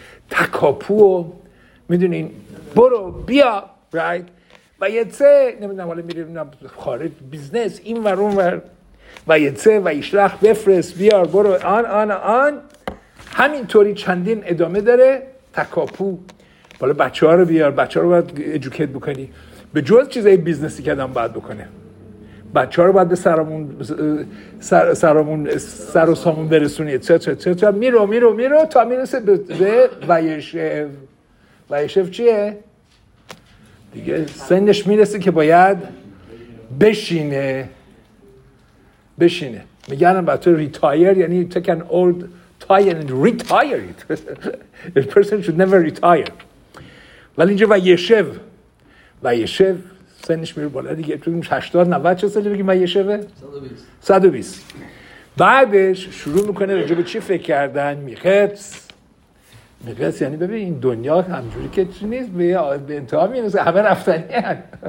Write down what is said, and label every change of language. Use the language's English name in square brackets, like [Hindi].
[Persian] تکاپو میدونین برو بیا رایت و یتره نمیدونم حالا میره خارج بیزنس این ور اون ور و یتره و ایشلخ بفرست بیار برو آن همینطوری چندین ادامه داره تکاپو بالا بچه ها رو بیار، بچه ها رو باید ایجوکیت بکنی به جز چیزای بیزنسی که آدم باید بکنه، بچه ها رو باید به سرامون سر و سامون برسونی ات. میرو تا میرسه به ویشف. ویشف چیه؟ دیگه سنش میرسه که باید بشینه. میگنم باید تو ریتایر یعنی [English] take an old tire and retire it. A person should never retire. [Persian] ولی اینجا ویشف سنش میره بالا دیگه، تو 80 90 چه سالی بگیم ویشفه؟ 120. بعدش شروع میکنه راجع به چی فکر کردن. میخس یعنی ببین این دنیا همجوری که چی نیست، به انتها میرسه، همه رفتنی هست.